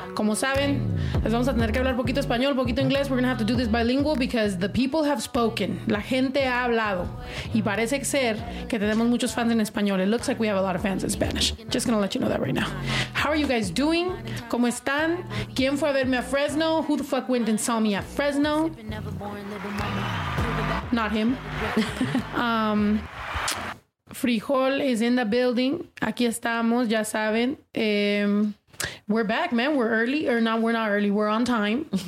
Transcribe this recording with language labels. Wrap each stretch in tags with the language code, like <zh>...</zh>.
<es>Como saben, les vamos a tener que hablar poquito español, poquito inglés.</es> <en>We're going to have to do this bilingual because the people have spoken.</en> <es>La gente ha hablado. Y parece ser que tenemos muchos fans en español.</es> <en>It looks like we have a lot of fans in Spanish. Just going to let you know that right now. How are you guys doing?</en> <es>¿Cómo están? ¿Quién fue a verme a Fresno?</es> <en>Who the fuck went and saw me at Fresno? Not him. Frijol is in the building.</en> <es>Aquí estamos, ya saben.</es> <en>We're back, man. We're early. Or no, we're not early. We're on time.</en>